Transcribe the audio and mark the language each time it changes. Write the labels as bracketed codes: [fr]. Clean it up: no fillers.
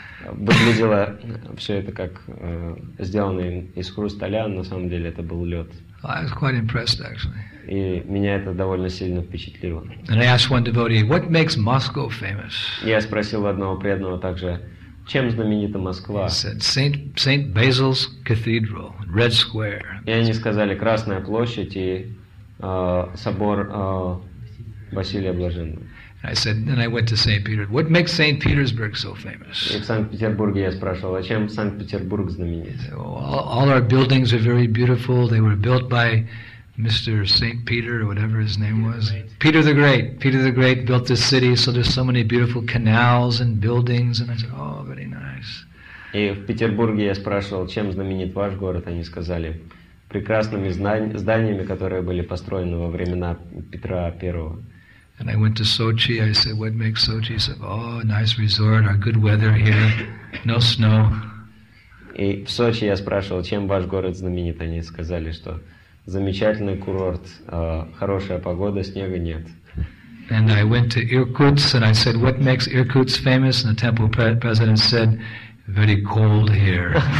[ru] Выглядело все это как сделано из хрусталя, но на самом деле это был лед. [en] I was quite impressed, actually. [ru] И меня это довольно сильно впечатлило. [en] And I asked one devotee, what makes Moscow famous? [ru] Я спросил одного преданного также, чем знаменита Москва? [en] He said, Saint Basil's Cathedral, Red Square. [ru] И они сказали, Красная площадь и собор Василия Блаженного. [en] I said, and I went to St. Peter. What makes St. Petersburg so famous? [ru] В Санкт-Петербурге я спрашивал, а чем Санкт-Петербург знаменит? [en] All our buildings are very beautiful. They were built by Mr. St. Peter, or whatever his name was. Peter the Great. Peter the Great built this city, so there's so many beautiful canals and buildings. And I said, oh, very nice. [ru] И в Петербурге я спрашивал, чем знаменит ваш город? Они сказали, прекрасными зданиями, которые были построены во времена Петра Первого. [en] And I went to Sochi. I said, "What makes Sochi?" He said, "Oh, nice resort. Our good weather here. No snow." [ru] И в Сочи я спрашивал, чем ваш город знаменит. Они сказали, что замечательный курорт, хорошая погода, снега нет. [en] And I went to Irkutsk and I said, what makes Irkutsk famous? And the temple president said, very cold here.